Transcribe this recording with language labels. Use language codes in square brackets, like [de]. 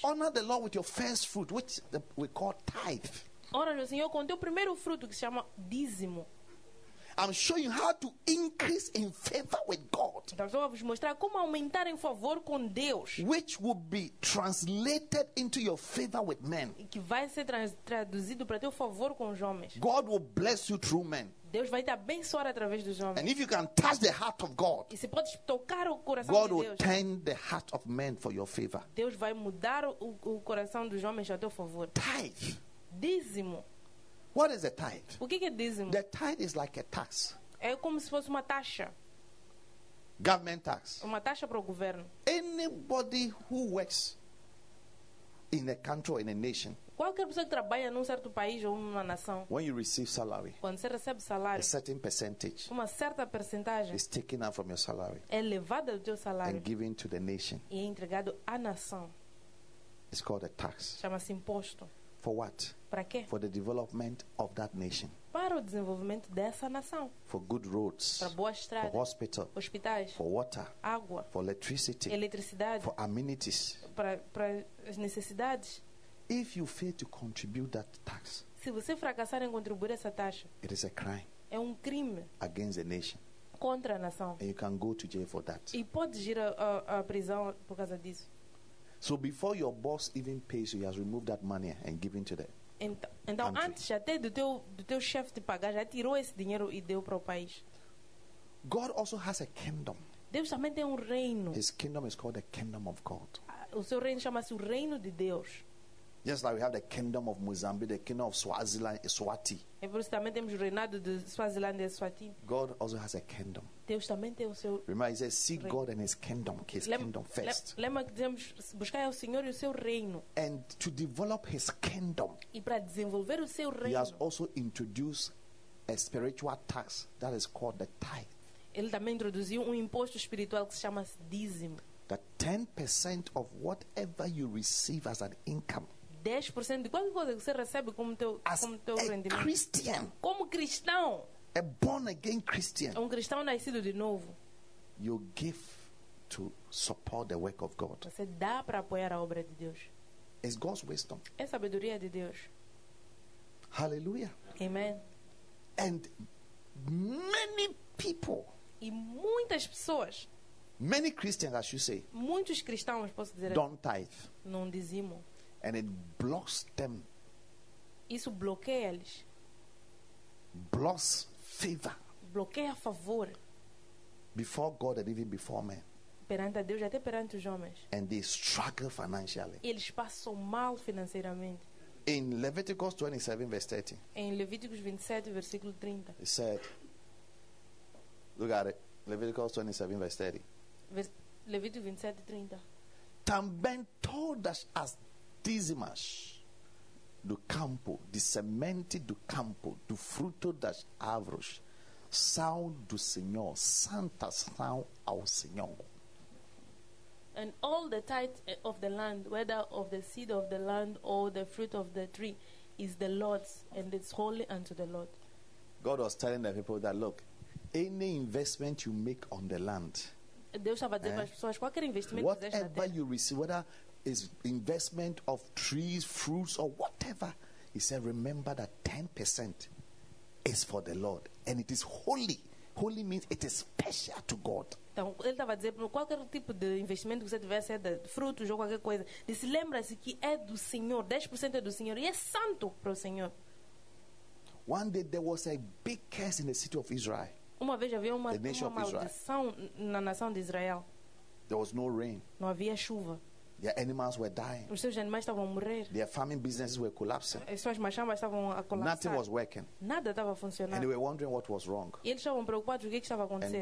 [en] You honor the Lord with your first fruit, which we call tithe. [pt] Honra o Senhor com o teu primeiro fruto, que se chama dízimo. [en] I'm showing you how to increase in favor with God. [pt] Então, vou mostrar como aumentar em favor com Deus. [en] Which will be translated into your favor with men. [pt] Que vai ser traduzido para teu favor com os homens. [en] God will bless you through men. [pt] Deus vai te abençoar através dos homens. [en] And if you can touch the heart of God. [pt] E se podes tocar o coração de Deus. [en] God will turn the heart of men for your favor. [pt] Deus vai mudar o coração dos homens a teu favor. [en] Tithe. [pt] Dízimo. [en] What is a tithe? [pt] O que é dízimo? [en] The tithe is like a tax. [pt] É como se fosse uma taxa. [en] Government tax. [pt] Uma taxa para o governo. [en] Anybody who works in a country or in a nation. [pt] Qualquer pessoa que trabalha num certo país ou numa nação. [en] When you receive salary. [pt] Quando você recebe salário. [en] A certain percentage. [pt] Uma certa percentagem. [en] Is taken out from your salary. [pt] É levada do teu salário. [en] And given to the nation. [pt] E é entregado à nação. [en] It's called a tax. [pt] Chama-se imposto. [en] For what? [pt] Para quê? [en] For the development of that nation. [pt] Para o desenvolvimento dessa nação. [en] For good roads. [pt] Para boas estradas. [en] For hospital. [pt] Hospitais. [en] For water. [pt] Água. [en] For electricity. [pt] Eletricidade. [en] For amenities. [pt] Para as necessidades. [en] If you fail to contribute that tax, [pt] se você fracassar em contribuir essa taxa, [en] it is a crime. [pt] É um crime [en] against the nation. [pt] Contra a nação. [en] And you can go to jail for that. [pt] E pode ir à prisão por causa disso. [en] So before your boss even pays you, he has removed that money and given to the [pt] Então antes até do teu chefe te pagar, já tirou esse dinheiro e deu para o país. [en] God also has a kingdom. [pt] Deus também tem reino. [en] His kingdom is called the kingdom of God. [pt] O seu reino chama-se o reino de Deus. [en] Just like we have the kingdom of Mozambique, the kingdom of Swaziland, Eswati. [pt] E por isso também temos o reinado de Swaziland e Eswatini. [en] God also has a kingdom. [pt] Deus também tem o seu. [en] Remember, he says, seek God and His kingdom first. [pt] Lembra que dizemos, buscar o Senhor e o seu reino. [en] And to develop His kingdom. [pt] E para desenvolver o seu reino. [en] He has also introduced a spiritual tax that is called the tithe. [pt] Ele também introduziu imposto espiritual que se chama dízimo. [en] That 10% of whatever you receive as an income. [pt] 10% de qualquer coisa que você recebe como teu [en] as [pt] como teu rendimento. [en] Christian, [pt] como cristão. [en] A born again Christian. [pt] Um cristão nascido de novo. [en] You give to support the work of God. [pt] Você dá para apoiar a obra de Deus. [en] It's God's wisdom. [pt] É sabedoria de Deus. [en] Hallelujah. [pt] Amen. [en] And many people. [pt] E muitas pessoas. [en] Many Christians, I should say. [pt] Muitos cristãos, posso dizer. [en] Don't tithe. [pt] Não dizimo. [en] And it blocks them. [pt] Isso bloqueia eles. [en] Blocks favor. [pt] Bloqueia favor. [en] Before God and even before men. [pt] Perante a Deus, até perante os homens. [en] And they struggle financially. [pt] Eles passam mal financeiramente. [en] In Leviticus 27, verse 30. [pt] Em Levíticos 27, versículo 30. [en] It said, look at it. Leviticus 27, verse 30. [pt] Levíticos 27, 30. Também [en] told us [pt] as dízimas do campo, de semente do campo, do fruto das árvores, são do Senhor, santas são ao Senhor. [en] And all the tithe of the land, whether of the seed of the land or the fruit of the tree, is the Lord's, and it's holy unto the Lord. God was telling the people that, look, any investment you make on the land, [pt] Deus estava dizendo às pessoas, qualquer investimento [en] whatever you receive, whether is investment of trees, fruits, or whatever. He said, remember that 10% is for the Lord. And it is holy. Holy means it is special to God. [pt] Então, ele estava a dizer, qualquer tipo de investimento que você tiver, se é de frutos ou qualquer coisa, disse, lembra-se que é do Senhor. 10% é do Senhor. E é santo para o Senhor. [en] One day, there was a big curse in the city of Israel. [pt] Uma vez havia uma maldição na nação de Israel. [en] There was no rain. [pt] Não havia chuva. [en] Their animals were dying. [pt] Os seus animais estavam a morrer. [en] Their farming businesses were collapsing. [pt] As suas machambas estavam a colapsar. [en] Nothing was working. [pt] Nada estava a funcionar. [en] And they were wondering what was wrong. [pt] E eles estavam preocupados com o que estava a acontecer.